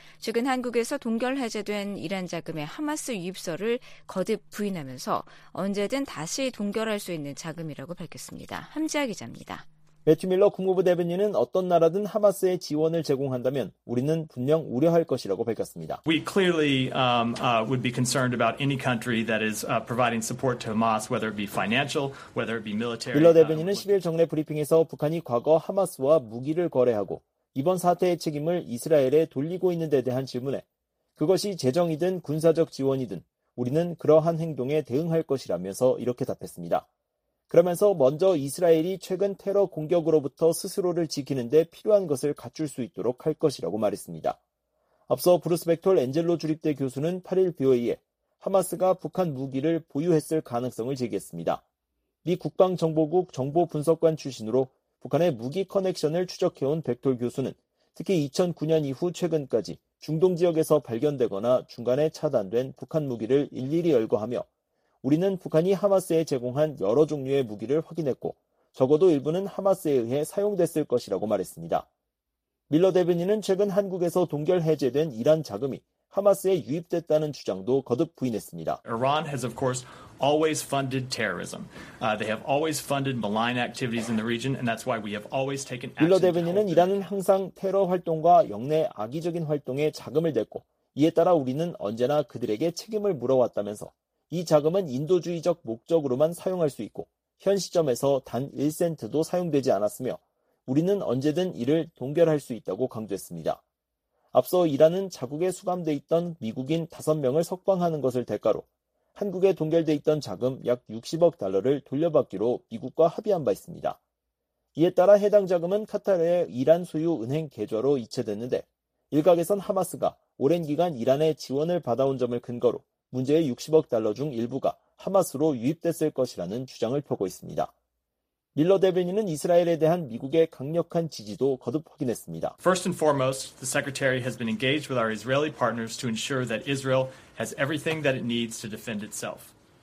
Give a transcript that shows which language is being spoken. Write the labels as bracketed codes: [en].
[ko] 최근 한국에서 동결 해제된 이란 자금의 하마스 유입설을 거듭 부인하면서 언제든 다시 동결할 수 있는 자금이라고 밝혔습니다. 함지아 기자입니다. 매튜 밀러 국무부 대변인은 어떤 나라든 하마스에 지원을 제공한다면 우리는 분명 우려할 것이라고 밝혔습니다. [en] We clearly would be concerned about any country that is providing support to Hamas, whether it be financial, whether it be military. [ko] 밀러 대변인은 10일 정례 브리핑에서 북한이 과거 하마스와 무기를 거래하고 이번 사태의 책임을 이스라엘에 돌리고 있는 데 대한 질문에 그것이 재정이든 군사적 지원이든 우리는 그러한 행동에 대응할 것이라면서 이렇게 답했습니다. 그러면서 먼저 이스라엘이 최근 테러 공격으로부터 스스로를 지키는 데 필요한 것을 갖출 수 있도록 할 것이라고 말했습니다. 앞서 브루스 벡톨 엔젤로 주립대 교수는 8일 BOA에 하마스가 북한 무기를 보유했을 가능성을 제기했습니다. 미 국방정보국 정보분석관 출신으로 북한의 무기 커넥션을 추적해온 벡톨 교수는 특히 2009년 이후 최근까지 중동 지역에서 발견되거나 중간에 차단된 북한 무기를 일일이 열거하며 우리는 북한이 하마스에 제공한 여러 종류의 무기를 확인했고 적어도 일부는 하마스에 의해 사용됐을 것이라고 말했습니다. 밀러 대변인은 최근 한국에서 동결 해제된 이란 자금이 하마스에 유입됐다는 주장도 거듭 부인했습니다. [en] Iran has of course always funded terrorism. They have always funded malign activities in the region and that's why we have always taken action. [ko] 밀러 대변인은 이란은 항상 테러 활동과 영내 악의적인 활동에 자금을 냈고 이에 따라 우리는 언제나 그들에게 책임을 물어왔다면서 이 자금은 인도주의적 목적으로만 사용할 수 있고 현 시점에서 단 1센트도 사용되지 않았으며 우리는 언제든 이를 동결할 수 있다고 강조했습니다. 앞서 이란은 자국에 수감돼 있던 미국인 5명을 석방하는 것을 대가로 한국에 동결돼 있던 자금 약 60억 달러를 돌려받기로 미국과 합의한 바 있습니다. 이에 따라 해당 자금은 카타르의 이란 소유 은행 계좌로 이체됐는데 일각에선 하마스가 오랜 기간 이란의 지원을 받아온 점을 근거로 문제의 60억 달러 중 일부가 하마스로 유입됐을 것이라는 주장을 펴고 있습니다. 밀러 대변인은 이스라엘에 대한 미국의 강력한 지지도 거듭 확인했습니다. [en] First and foremost, the secretary has been engaged with our Israeli partners to ensure that Israel has everything that it needs to defend itself.